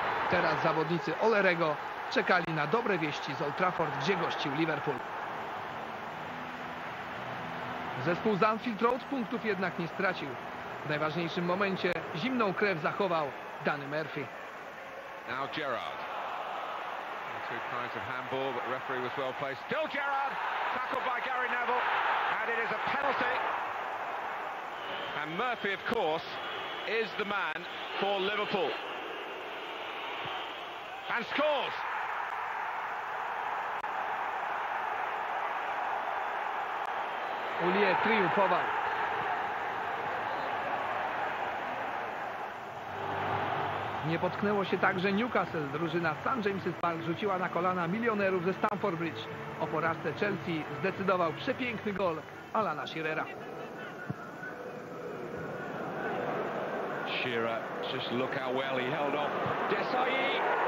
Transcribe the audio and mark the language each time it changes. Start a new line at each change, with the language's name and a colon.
Polish: Teraz zawodnicy Olerego czekali na dobre wieści z Old Trafford, gdzie gościł Liverpool. Zespół z Anfield Road punktów jednak nie stracił. W najważniejszym momencie zimną krew zachował Danny Murphy.
English: Now Gerrard. Good kind of handball, but the referee was well placed. Still Gerrard, tackled by Gary Neville, and it is a penalty. And Murphy, of course, is the man for Liverpool. And scores!
Polish: Ulier triumfował. Nie potknęło się także Newcastle. Drużyna St. James's Park rzuciła na kolana milionerów ze Stamford Bridge. O porażce Chelsea zdecydował przepiękny gol Alana Shearera.
English: Shearer, just look how well he held off Desailly.